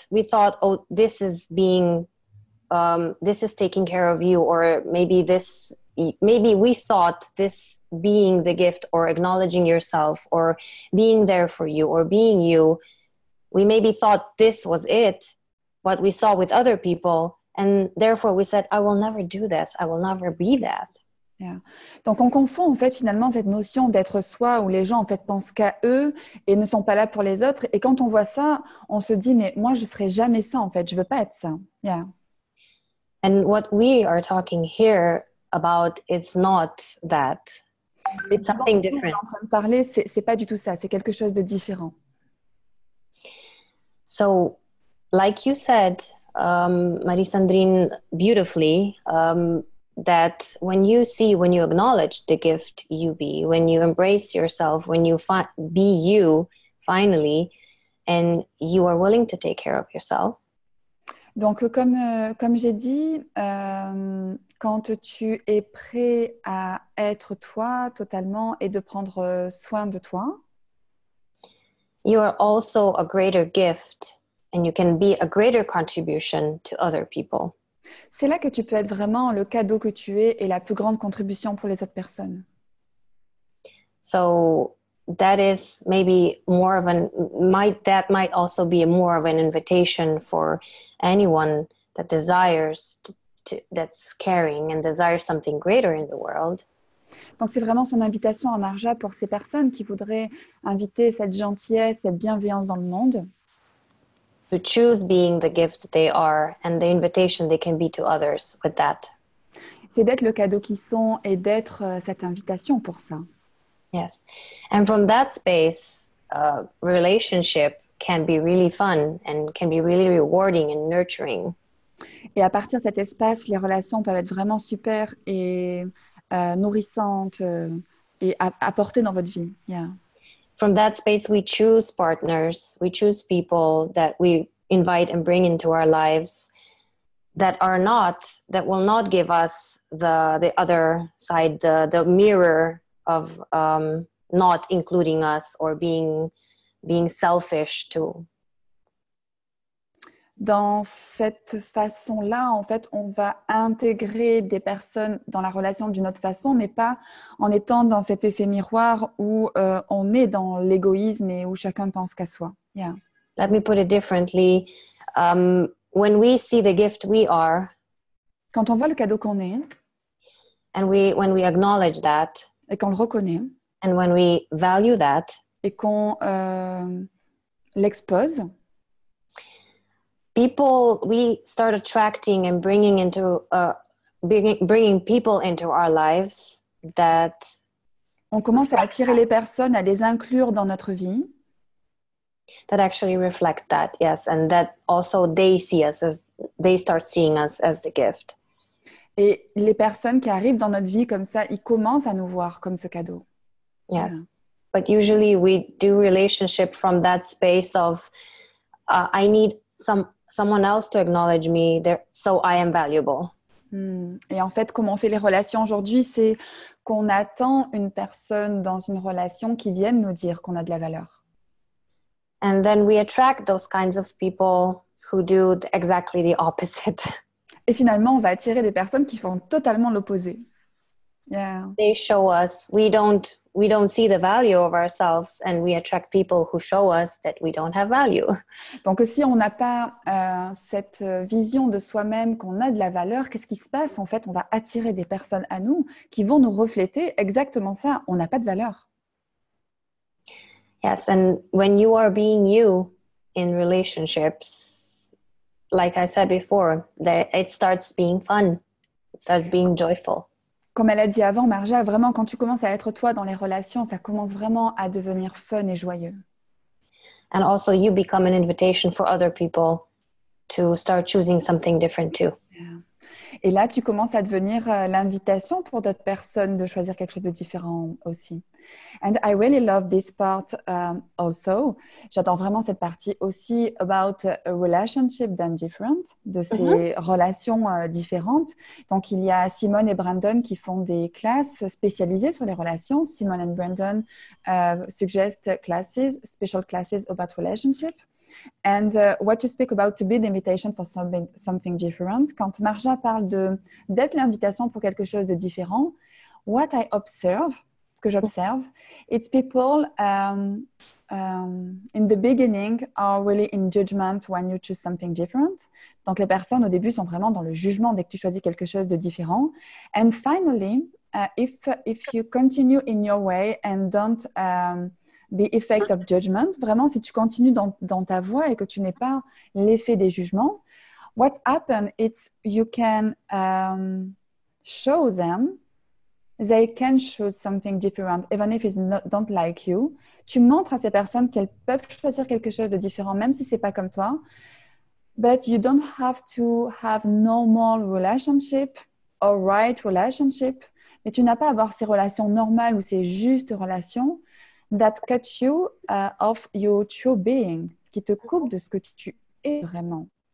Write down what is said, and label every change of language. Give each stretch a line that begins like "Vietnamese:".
English: we thought oh, this is being. This is taking care of you, or maybe we thought this being the gift or acknowledging yourself or being there for you or being you, we maybe thought this was it, what we saw with other people, and therefore we said, I will never do this, I will never be that. Yeah.
French: Donc on confond en fait finalement cette notion d'être soi où les gens en fait pensent qu'à eux et ne sont pas là pour les autres, et quand on voit ça, on se dit, mais moi je serai jamais ça en fait, je veux pas être ça.
English: Yeah. And what we are talking here about is not that. It's something different.
French: En train de parler, c'est pas du tout ça. C'est quelque chose de différent.
English: So, like you said, Marie-Sandrine, beautifully, that when you acknowledge the gift you be, when you embrace yourself, when you be you, finally, and you are willing to take care of yourself.
French: Donc, comme j'ai dit, quand tu es prêt à être toi totalement et de prendre soin de toi,
English: you are also a greater gift and you can be a greater contribution to other people.
French: C'est là que tu peux être vraiment le cadeau que tu es et la plus grande contribution pour les autres personnes.
English: So, that is maybe more of an might also be more of an invitation for anyone that desires to that's caring and desires something greater in the world.
French: Donc c'est vraiment son invitation à Marja pour ces personnes qui voudraient inviter cette gentillesse, cette bienveillance dans le monde.
English: To choose being the gift they are and the invitation they can be to others with that.
French: C'est d'être le cadeau qu'ils sont et d'être cette invitation pour ça.
English: Yes, and from that space, relationship can be really fun and can be really rewarding and nurturing.
French: Et à partir de cet espace, les relations peuvent être vraiment super et nourrissantes et apporter dans votre vie.
English: Yeah. From that space, we choose partners, we choose people that we invite and bring into our lives that are not, that will not give us the other side, the mirror of not including us or being selfish too.
French: Dans cette façon-là, en fait, on va intégrer des personnes dans la relation d'une autre façon, mais pas en étant dans cet effet miroir où on est dans l'égoïsme et où chacun pense qu'à soi.
English: Yeah. Let me put it differently. When we see the gift we are,
French: quand on voit le cadeau qu'on est,
English: and when we acknowledge that,
French: et qu'on le reconnaît,
English: and when we value that,
French: et qu'on l'expose.
English: People, we start attracting and bringing people into our lives that.
French: On commence à attirer les personnes, à les inclure dans notre vie.
English: That actually reflect that, yes, and that also they see us as they start seeing us as the gift.
French: Et les personnes qui arrivent dans notre vie comme ça, ils commencent à nous voir comme ce cadeau.
English: Yes, voilà. But usually we do relationship from that space of I need someone else to acknowledge me, there, so I am valuable.
French: Et en fait, comment on fait les relations aujourd'hui, c'est qu'on attend une personne dans une relation qui vienne nous dire qu'on a de la valeur.
English: And then we attract those kinds of people who do exactly the opposite.
French: Et finalement, on va attirer des personnes qui font totalement l'opposé.
English: Yeah. They show us we don't see the value of ourselves, and we attract people who show us that we don't have value.
French: Donc, si on n'a pas cette vision de soi-même qu'on a de la valeur, qu'est-ce qui se passe? En fait, on va attirer des personnes à nous qui vont nous refléter exactement ça. On n'a pas de valeur.
English: Yes, and when you are being you in relationships, like I said before, that it starts being fun, it starts being joyful.
French: Comme elle a dit avant, Marja, vraiment, quand tu commences à être toi dans les relations, ça commence vraiment à devenir fun et joyeux.
English: And also, you become an invitation for other people to start choosing something different too. Yeah.
French: Et là, tu commences à devenir l'invitation pour d'autres personnes de choisir quelque chose de différent aussi.
English: And I really love this part also.
French: J'adore vraiment cette partie aussi
English: about a relationship than different,
French: de ces relations différentes. Donc, il y a Simone et Brandon qui font des classes spécialisées sur les relations.
English: Simone and Brandon suggest classes, special classes about relationship. And what you speak about to be the invitation for something different.
French: Quand Marja parle d'être l'invitation pour quelque chose de différent,
English: what I observe,
French: ce que j'observe,
English: it's people in the beginning are really in judgment when you choose something different.
French: Donc les personnes au début sont vraiment dans le jugement dès que tu choisis quelque chose de différent.
English: And finally, if you continue in your way and don't the effect of judgment,
French: vraiment, si tu continues dans ta voie et que tu n'es pas l'effet des jugements,
English: what happens, it's you can show them, they can choose something different, even if it's not, don't like you.
French: Tu montres à ces personnes qu'elles peuvent choisir quelque chose de différent, même si ce n'est pas comme toi.
English: But you don't have to have normal relationship or right relationship.
French: Mais tu n'as pas à avoir ces relations normales ou ces justes relations
English: that cuts you off your true being,
French: qui te coupe de ce que tu es vraiment.